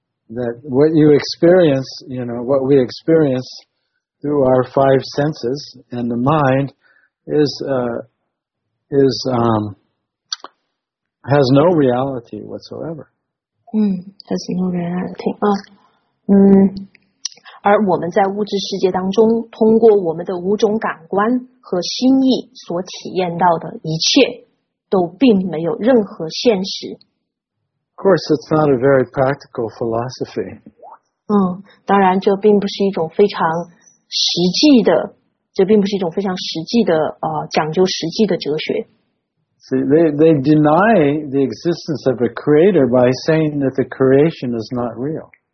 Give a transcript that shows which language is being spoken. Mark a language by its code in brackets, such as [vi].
[en] That what you experience, you know, what we experience through our five senses and the mind has no reality whatsoever. Has no reality. [zh] 而我们在物质世界当中，通过我们的五种感官和心意所体验到的一切，都并没有任何现实。 [en] Of course, it's not a very practical philosophy. [zh] 当然，这并不是一种非常实际的，这并不是一种非常实际的讲究实际的哲学。 [en] See, they deny the existence of a creator by saying that the creation is not real.